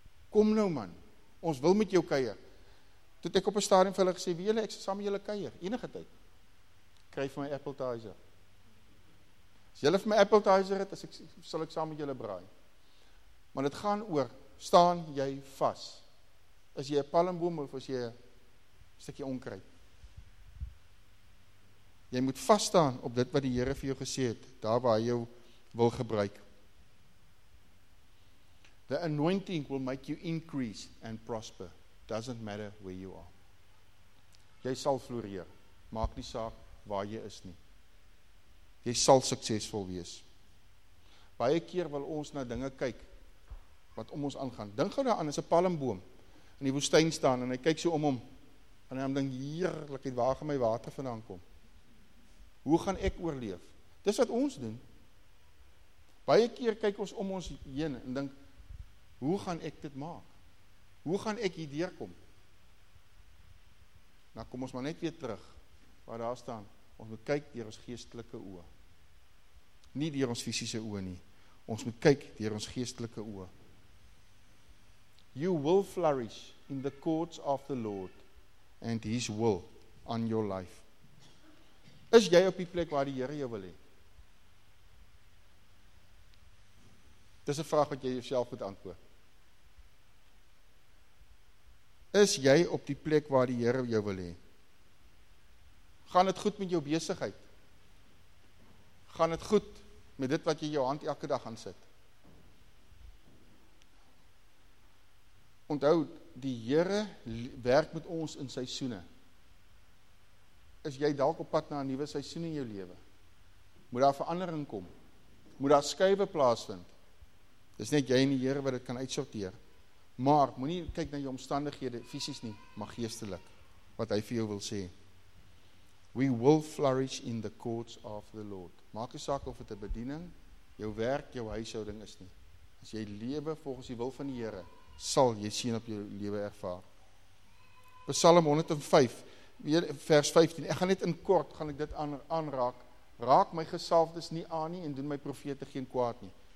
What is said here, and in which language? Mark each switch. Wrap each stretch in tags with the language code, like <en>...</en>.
<af>Kom nou man, ons wil met jou kuier. Toe ek op 'n stadium vir hulle gesê, weet julle, ek sal saam met julle kuier, enige tyd. Kry vir my appetizer. As julle vir my appetizer het, sal ek saam met julle braai. Maar dit gaan oor, staan jy vas? Is jy 'n palmboom of is jy 'n stukkie onkruid? Jy moet vas staan op dit wat die Here vir jou gesê het, daar waar hy jou wil gebruik.</af> <en>The anointing will make you increase and prosper. Doesn't matter where you are.</en> <af>Jy sal floreer. Maak nie saak waar jy is nie. Jy sal suksesvol wees. Baie keer wil ons na dinge kyk wat om ons aangaan. Dink gou daaraan, as 'n palmboom in die woestyn staan en hy kyk so om hom en hy dink, heerlikheid, waar gaan my water vandaan kom? Hoe gaan ek oorleef? Dis wat ons doen. Baie keer kyk ons om ons heen en dink, hoe gaan ek dit maak? Hoe gaan ek hier deurkom? Nou kom ons maar net weer terug waar daar staan. Ons moet kyk deur ons geestelike oë. Nie deur ons fisiese oë nie. Ons moet kyk deur ons geestelike oë.</af> <en>You will flourish in the courts of the Lord and his will on your life.</en> <af>Is jy op die plek waar die Here jou wil hê? Dis 'n vraag wat jy jouself moet antwoord. Is jy op die plek waar die Here jou wil hê? Gaan dit goed met jou besigheid? Gaan dit goed met dit wat jy jou hand elke dag aan sit? Onthou, die Here werk met ons in seisoene. Is jy dalk op pad na 'n nuwe seisoen in jou lewe? Moet daar verandering kom? Moet daar skuwe plaasvind? Dis net jy en die Here wat dit kan uitsorteer. Maar moenie kyk na jou omstandighede fisies nie, maar geestelik wat hy vir jou wil sê.</af> <en>We will flourish in the courts of the Lord.</en> <af>Maak nie saak of dit 'n bediening, jou werk, jou huishouding is nie. As jy lewe volgens die wil van die Here, sal jy sien op jou lewe ervaar. Psalm 105 vers 15, ek gaan net in kort gaan ek dit aanraak, raak my gesalfdes nie aan nie en doen my profete geen kwaad nie.</af>